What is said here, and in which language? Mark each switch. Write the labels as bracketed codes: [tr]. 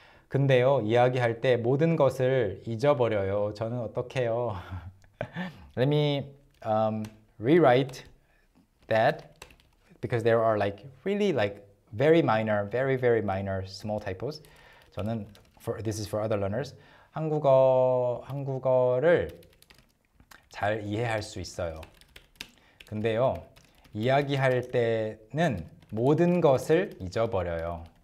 [ko] 근데요, 이야기할 때 모든 것을 잊어버려요. 저는 어떡해요? [en] Let me rewrite that because there are like really like very minor, very, very minor small typos. 저는, this is for other learners. [ko] 한국어를 잘 이해할 수 있어요. 근데요, 이야기할 때는 모든 것을 잊어버려요.